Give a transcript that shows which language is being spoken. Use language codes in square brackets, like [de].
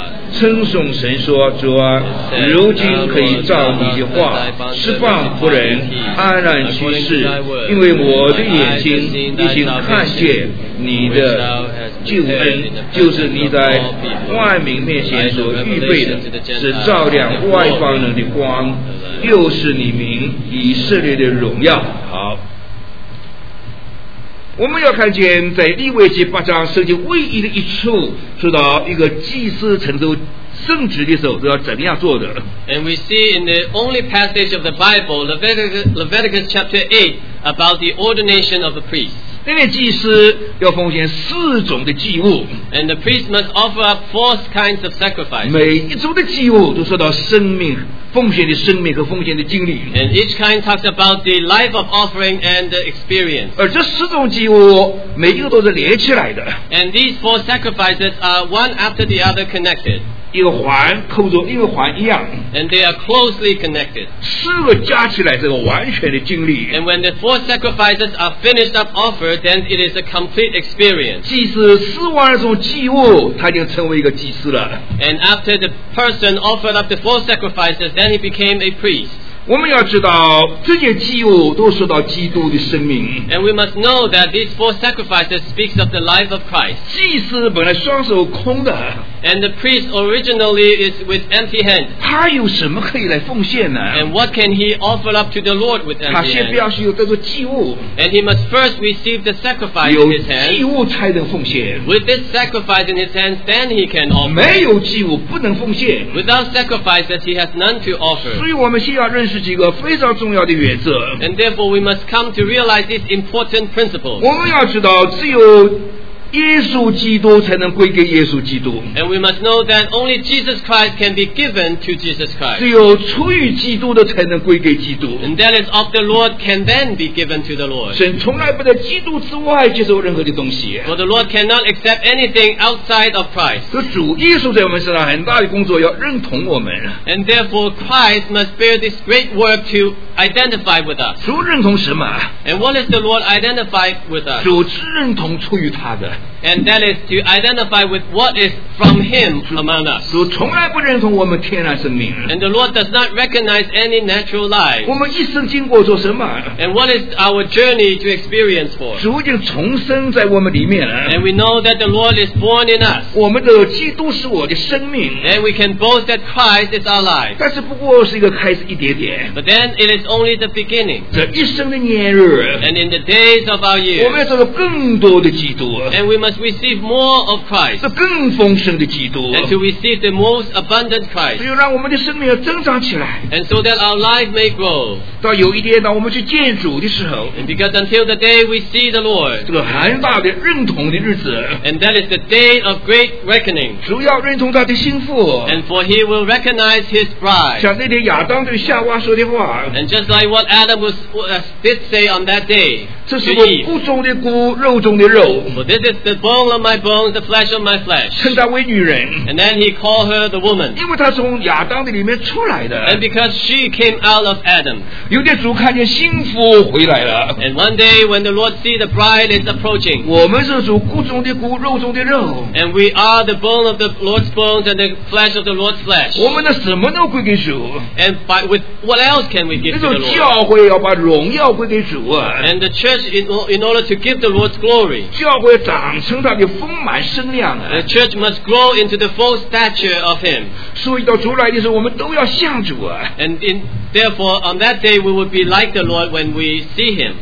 [zh] 称颂神说主啊如今可以照你的话释放仆人安然去世因为我的眼睛已经看见你的救恩就是你在万民面前所预备的是照亮外邦人的光又是你名以色列的荣耀好我们要看见在利未记八章圣经唯一的一处说到一个祭司承受圣职的时候都要怎样做的 [en] And we see in the only passage of the Bible Leviticus chapter 8 about the ordination of a priest [zh] 那位祭司要奉献四种的祭物 [en] And the priest must offer up four kinds of sacrifice [zh] 每一种的祭物都受到生命奉献的生命和奉献的经历 [en] and each kind talks about the life of offering and the experience [zh] 而这四种祭物每一个都是连起来的 [en] and these four sacrifices are one after the other connected [zh] 一个环扣住一个环一样 [en] and they are closely connected [zh] 四个加起来是个完全的经历 [en] and when the four sacrifices are finished up offered then it is a complete experience [zh] 祭司四万种祭物他就成为一个祭司了 [en] and after the person offered up the four sacrifices Then he became a priest. [zh] 我们要知道这些祭物都受到基督的生命。 [en] And we must know that these four sacrifices speaks of the life of Christ. [zh] 祭司本来双手空的。 [en] And the priest originally is with empty hands. [zh] 他有什么可以来奉献呢？ [en] And what can he offer up to the Lord with empty hands? [zh] 他先必要是有这个祭物。 [en] And he must first receive the sacrifice in his hands. [zh] 有祭物才能奉献。 [en] With this sacrifice in his hands, then he can offer. [zh] 没有祭物不能奉献。 [en] Without sacrifices, he has none to offer. [zh] 所以我们先要认识几个非常重要的原则。 [en] And therefore, we must come to realize these important principles. [zh] 我们要知道只有耶稣基督才能归给耶稣基督。 [en] And we must know that only Jesus Christ can be given to Jesus Christ. [zh] 只有出于基督的才能归给基督。 [en] And that is of the Lord can then be given to the Lord. [zh] 神从来不在基督之外接受任何的东西。 [en] For the Lord cannot accept anything outside of Christ. [zh] 所以主耶稣在我们身上很大的工作要认同我们。 [en] And therefore Christ must bear this great work to identify with us. [zh] 主认同什么？ [en] And what is the Lord identified with us? [zh] 主只认同出于他的。 [en] And that is to identify with what is from him among us. [zh] 主从来不认同我们天然生命。 [en] And the Lord does not recognize any natural life. [zh] 我们一生经过做什么？ [en] And what is our journey to experience for? [zh] 主已经重生在我们里面了。 [en] And we know that the Lord is born in us. [zh] 我们的基督是我的生命。 [en] And we can boast that Christ is our life. [zh] 但是不过是一个开始一点点。 [en] But then it is only the beginning. [zh] 这一生的年日。 [en] And in the days of our years. [zh] 我们要做更多的基督。 [en] And we must receive more of Christ. [zh] 是更丰盛的基督。 [en] And to receive the most abundant Christ. [zh] 只有让我们的生命要增长起来。 [en] And so that our life may grow. [zh] 到有一天当我们去见主的时候。 [en] And because until the day we see the Lord. [zh] 这个很大的认同的日子。 [en] And that is the day of great reckoning. [zh] 主要认同他的心腹。 [en] And for he will recognize his bride. [zh] 像那天亚当对夏娃说的话。 [en] And just like what Adam did say on that day. [zh] 这是我骨中的骨，肉中的肉。 [en] For this is the bone of my bones, the flesh of my flesh. [zh] 称她为女人。 [en] And then he called her the woman. [zh] 因为她从亚当的里面出来的。 [en] And because she came out of Adam. [zh] 有天主看见新妇回来了。 [en] And one day when the Lord see the bride is approaching. [zh] 我们是主骨中的骨，肉中的肉。 [en] And we are the bone of the Lord's bones and the flesh of the Lord's flesh. [zh] 我们的什么都归给主。 [en] And by, with what else can we give to the Lord? [zh] 那种教会要把荣耀归给主啊。 [en] And the church in order to give the Lord's glory. [zh] 教会长成他的丰满身量啊。 [en] The church must grow into the full stature of him. [zh] 所以到主来的时候我们都要像主啊。 [en] And in, therefore, on that day, we will be like the Lord when we see him.